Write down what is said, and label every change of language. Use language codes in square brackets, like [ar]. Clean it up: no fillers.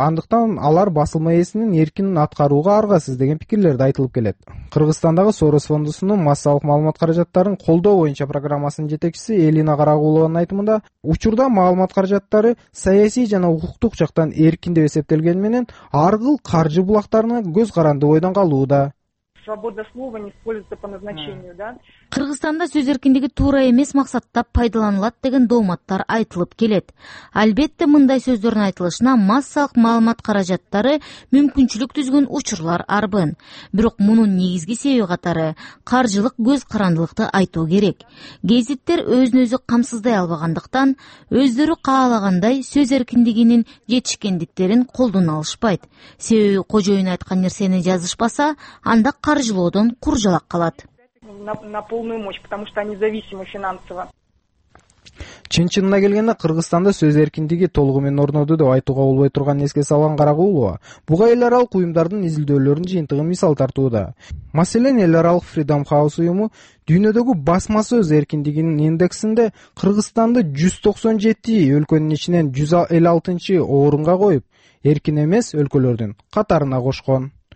[ky] Андыктан алар басылма ээсинин эркин аткарууга аргасыз деген пикирлерди айтылып келет. Кыргызстандагы Сорос фондусунун массалык маалымат каражаттарын колдоо боюнча программасынын жетекчиси Элина Карагулованын айтымында, учурда маалымат каражаттары саясий жана укуктук жактан эркин деп эсептелген менен, ар кыл каржы булактарына көз каранды бойдон калууда. [ru] Свобода слова не используется по назначению, да? [ky] Кыргызстанда сөз эркиндиги туура эмес максатта пайдаланылат деген дооматтар айтылып келет. Албетте, мындай сөздөрдүн айтылышына массалык маалымат каражаттары мүмкүнчүлүк түзгөн учурлар арбын. Бирок мунун негизги себеби катары каржылык көз карандылыкты айтуу керек. Гезиттер өзүн өзү камсыздай албагандыктан өздөрү каалагандай сөз эркиндигинин жетишкендиктерин колдоно алышпайт. Себеби кожоюн айткан нерсени жазышпаса, анда каржылоодон куржалак калат. [ru] На полную мощь, потому что они зависимы финансово. [ky] Чын-чынына келгенде, Кыргызстанда сөз эркиндиги толугу менен орноду деп айтууга болбой турган эске салган Карагулова, буга эл аралык уюмдардын изилдөөлөрүн жыйынтыгын мисал тартууда. Маселен, эл аралык Freedom House уюму дүйнөдөгү басма сөз эркиндигинин индексинде Кыргызстанды 197 өлкөнүн ичинен 156 орунга коюп, эркин эмес өлкөлөрдүн катарына кошкон.